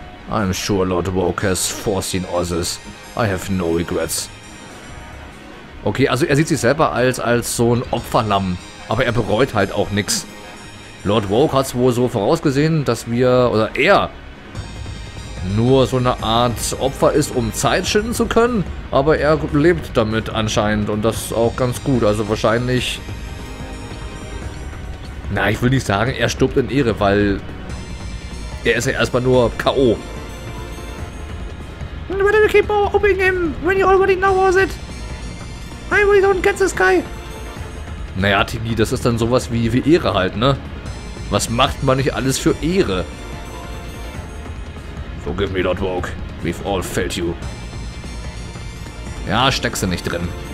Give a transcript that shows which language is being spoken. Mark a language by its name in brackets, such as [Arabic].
[English] I'm sure Lord Woke has foreseen all this. I have no regrets. [German] Okay, also er sieht sich selber als so ein Opferlamm. Aber er bereut halt auch nichts. Lord Woke hat es wohl so vorausgesehen, dass wir, oder er, nur so eine Art Opfer ist, um Zeit schinden zu können. Aber er lebt damit anscheinend und das ist auch ganz gut. Also wahrscheinlich, na, ich will nicht sagen, er stirbt in Ehre, weil er ist ja erstmal nur K.O. [English] Why do you keep opening him when you already know all that? I really don't get this guy. [German] Naja, Tigi, das ist dann sowas wie Ehre halt, ne? Was macht man nicht alles für Ehre? [English] Forgive me, Lord Woke. We've all failed you. [German] Ja, steckst du nicht drin.